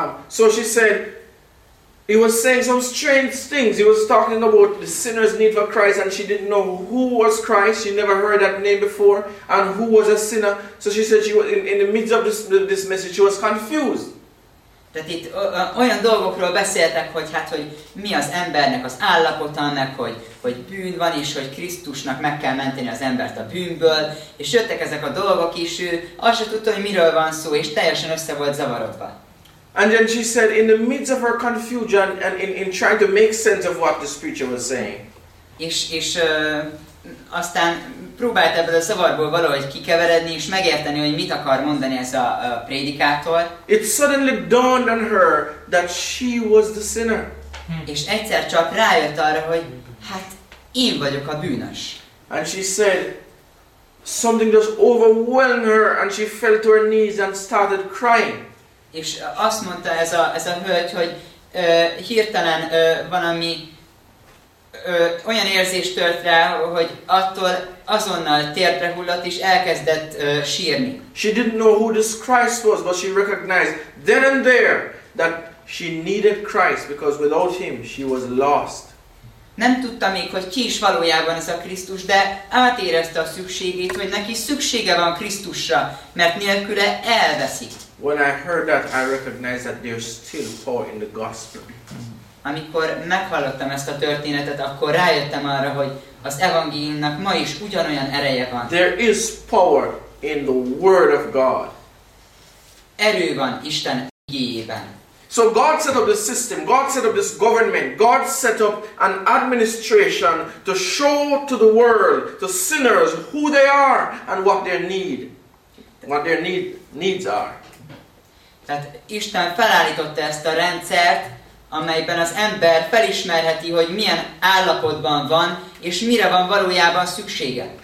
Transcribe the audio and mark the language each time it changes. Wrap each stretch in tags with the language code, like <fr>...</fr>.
<en>So she said, he was saying some strange things. He was talking about the sinner's need for Christ, and she didn't know who was Christ. She never heard that name before, and who was a sinner. So she said she was in the midst of this message, she was confused.</en> <hu>Tehát itt olyan dolgokról beszéltek, hogy hát, hogy mi az embernek az állapota, annak, hogy bűn van, és hogy Krisztusnak meg kell menteni az embert a bűnből, és jöttek ezek a dolgok is, ő azt se tudta, hogy miről van szó, és teljesen össze volt zavarodva.</hu> <en>And then she said, in the midst of her confusion and in trying to make sense of what this preacher was saying.</en> <hu>És aztán próbált ebből a zavarból valahogy kikeveredni és megérteni, hogy mit akar mondani ez a prédikátor.</hu> <en>It suddenly dawned on her that she was the sinner.</en> <hu>És egyszer csak rájött arra, hogy hát én vagyok a bűnös.</hu> <en>And she said, something just overwhelmed her and she fell to her knees and started crying.</en> <hu>És azt mondta ez a hölgy, hogy hirtelen valami olyan érzés tört rá, hogy attól azonnal térdre hullott és elkezdett sírni.</hu> <en>She didn't know who this Christ was, but she recognized then and there that she needed Christ because without him she was lost.</en> <hu>Nem tudta még, hogy ki is valójában ez a Krisztus, de átérezte a szükségét, hogy neki szüksége van Krisztusra, mert nélküle elveszik.</hu> <en>When I heard that, I recognized that there's still power in the gospel.</en> <hu>Amikor meghallottam ezt a történetet, akkor rájöttem arra, hogy az evangéliumnak ma is ugyanolyan ereje van.</hu> <en>There is power in the word of God.</en> <hu>Erő van Isten igéjében.</hu> <en>So God set up this system, God set up this government, God set up an administration to show to the world, to sinners, who they are and what their needs are.</en> <hu>Tehát Isten felállította ezt a rendszert, amelyben az ember felismerheti, hogy milyen állapotban van, és mire van valójában szüksége.</hu>